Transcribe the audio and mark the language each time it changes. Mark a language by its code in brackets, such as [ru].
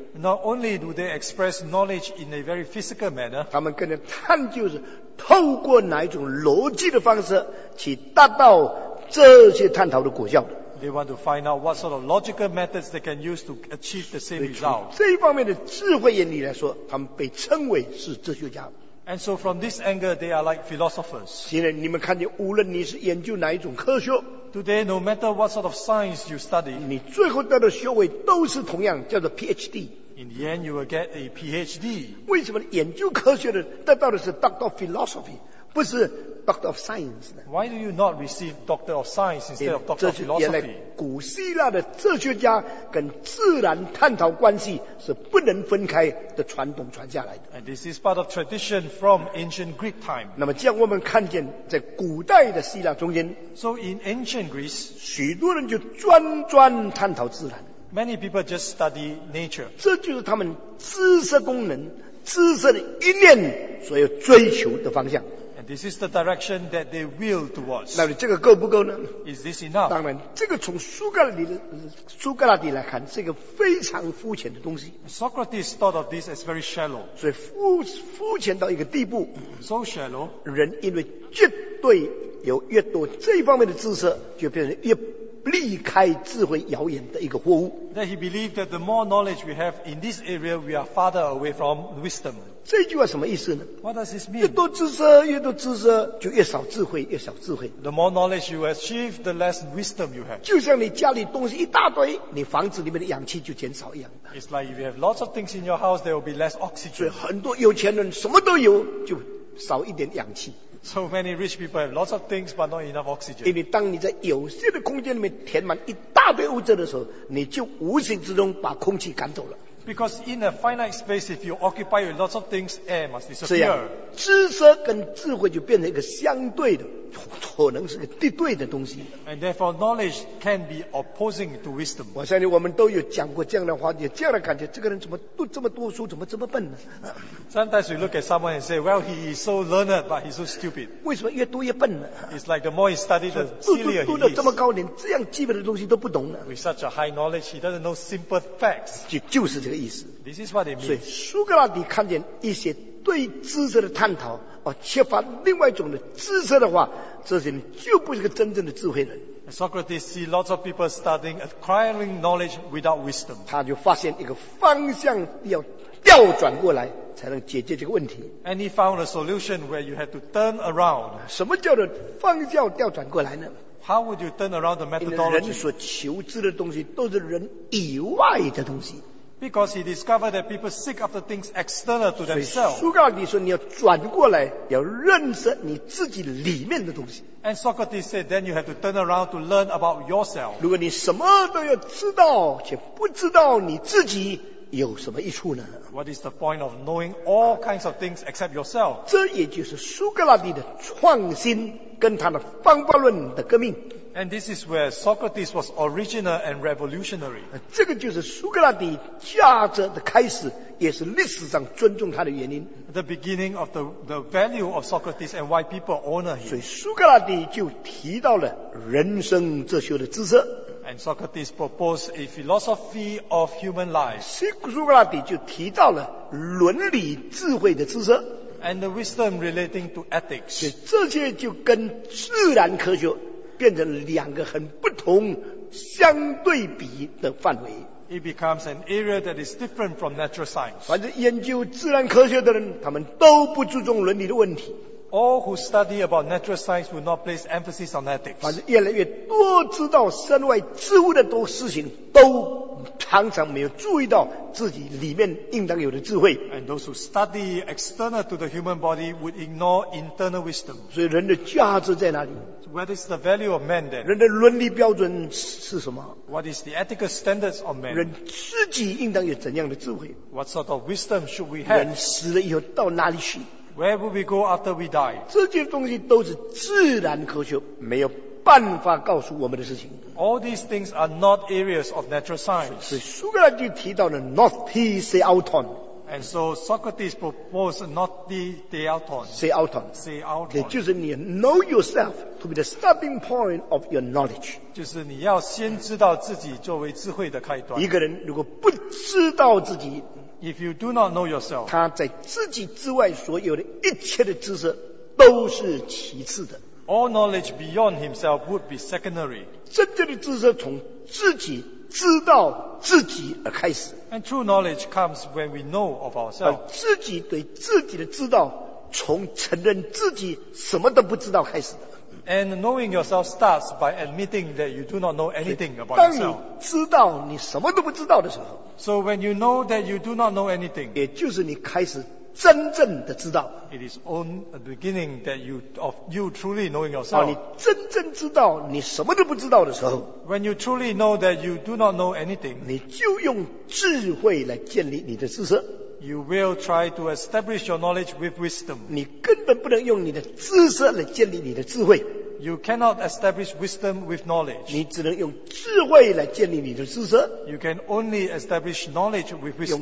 [en] Not only do they express knowledge in a very physical manner, [zh] 他们跟着探究是透过哪一种逻辑的方式去达到这些探讨的果效的。 [en] They want to find out what sort of logical methods they can use to achieve the same result. [zh] 这一方面的智慧眼里来说，他们被称为是哲学家。 [en] And so from this angle, they are like philosophers. [zh] 现在你们看见，无论你是研究哪一种科学 [en] ，Today, no matter what sort of science you study, [zh] 你最后得的学位都是同样叫做 PhD. [en] In the end, you will get a PhD. [zh] 为什么研究科学的得到的是 [en] Doctor of Philosophy， [zh] 不是 [en] Doctor of Science [zh] 呢 [en] ？Why do you not receive Doctor of Science instead of Doctor of Philosophy？ [zh] 原来古希腊的哲学家跟自然探讨关系是不能分开的传统传下来的。 [en] And this is part of tradition from ancient Greek time. [zh] 那么，这样我们看见在古代的希腊中间 [en] ，So in ancient Greece， [zh] 许多人就专专探讨自然。 [en] Many people just study nature. [zh] 这就是他们知识功能、知识的一念所要追求的方向。 [en] This is the direction that they will towards. [zh] 那你这个够不够呢 [en] ？Is this enough？ [zh] 当然，这个从苏格拉底来看，是一个非常肤浅的东西。 [en] Socrates thought of this as very shallow. [zh] 所以肤浅到一个地步。 [en] So shallow. [zh] 人因为绝对有越多这一方面的知识，就变成越离开智慧遥远的一个货物。 [en] That he believed that the more knowledge we have in this area, we are farther away from wisdom. [zh] 这句话什么意思呢 [en] ？What does this mean？ [zh] 越多知识，越多知识，就越少智慧，越少智慧。 [en] The more knowledge you achieve, the less wisdom you have. [zh] 就像你家里东西一大堆，你房子里面的氧气就减少一样。 [en] It's like if you have lots of things in your house, there will be less oxygen. [zh] 所以很多有钱人什么都有，就少一点氧气。 [en] So many rich people have lots of things, but not enough oxygen. [zh] 因为当你在有限的空间里面填满一大堆物质的时候，你就无形之中把空气赶走了。 [en] Because in a finite space, if you occupy with lots of things, air must disappear. [zh] 这样，知识跟智慧就变成一个相对的，可能是个敌对的东西。 [en] And therefore, knowledge can be opposing to wisdom. [zh] 我相信我们都有讲过这样的话，有这样的感觉：这个人怎么读这么多书，怎么这么笨呢 [en] ？Sometimes we look at someone and say, "Well, he is so learned, but he's so stupid." [zh] 为什么越读越笨呢 [en] ？It's like the more he studies, the sillier he is. [zh] 读了这么高年，这样基本的东西都不懂呢 [en] ？With such a high knowledge, he doesn't know simple facts. [zh] 就是这个意思。 [en] This is what it means. [zh] 所以苏格拉底看见一些对知识的探讨。缺乏另外一种的知识的话，这些人就不是个真正的智慧人。 [en] Socrates see lots of people studying acquiring knowledge without wisdom. [zh] 他就发现一个方向要调转过来，才能解决这个问题。 [en] And he found a solution where you had to turn around. [zh] 什么叫做方向调转过来呢 [en] ？How would you turn around the methodology? [zh] 因为人所求知的东西都是人以外的东西。 [en] Because he discovered that people seek after things external to themselves. [zh] 所以苏格拉底说你要转过来，要认识你自己里面的东西。 [en] And Socrates said, then you have to turn around to learn about yourself. [zh] 如果你什么都要知道，却不知道你自己有什么益处呢 [en] ？What is the point of knowing all kinds of things except yourself? [zh] 这也就是苏格拉底的创新跟他的方法论的革命。 [en] And this is where Socrates was original and revolutionary. [zh] 这个就是苏格拉底价值的开始，也是历史上尊重他的原因。 [en] The beginning of the value of Socrates and why people honor him. [zh] 所以苏格拉底就提到了人生哲学的知识。 [en] And Socrates proposed a philosophy of human life. [zh] 苏格拉底就提到了伦理智慧的知识。 [en] And the wisdom relating to ethics. [zh] 所以这些就跟自然科学变成两个很不同相对比的范围。 [en] It becomes an area that is different from natural science. [zh] 反正研究自然科学的人，他们都不注重伦理的问题。 [en] All who study about natural science will not place emphasis on ethics. [zh] 反正越来越多知道身外之物的多事情，都常常没有注意到自己里面应当有的智慧。 [en] And those who study external to the human body would ignore internal wisdom. [zh] 所以人的价值在哪里？ [en] What is the value of man then? [zh] 人的伦理标准是什么 [en] ？What is the ethical standards of man? [zh] 人自己应当有怎样的智慧 [en] ？What sort of wisdom should we have? [zh] 人死了以后到哪里去 [en] ？Where will we go after we die? [zh] 这些东西都是自然科学没有办法告诉我们的事情。 [en] All these things are not areas of natural science. [zh] 所以苏格拉底提到了 Nothi Theauton。 [en] And so Socrates proposed not the theauton. Say outon. Say outon. [zh] 就是你 [en] know yourself to be the starting point of your knowledge. [zh] 就是你要先知道自己作为智慧的开端。一个人如果不知道自己， [en] if you do not know yourself, [zh] 他在自己之外所有的一切的知识都是其次的。 [en] All knowledge beyond himself would be secondary. [zh] 真正的知识从自己知道自己而开始。 [en] And true knowledge comes when we know of ourselves. [zh] 自己对自己的知道，从承认自己什么都不知道开始的。 [en] And knowing yourself starts by admitting that you do not know anything about yourself. [zh] 当你知道你什么都不知道的时候 [en] ，So when you know that you do not know anything， [zh] 也就是你开始真正的知道。 [en] It is on the beginning that you of you truly knowing yourself. [zh] 你真正知道你什么都不知道的时候 [en] ，When you truly know that you do not know anything， [zh] 你就用智慧来建立你的知识。 [en] You will try to establish your knowledge with wisdom. [zh] 你根本不能用你的知识来建立你的智慧。 [en] You cannot establish wisdom with knowledge. [zh] 你只能用智慧来建立你的知识。 [en] You can only establish knowledge with wisdom.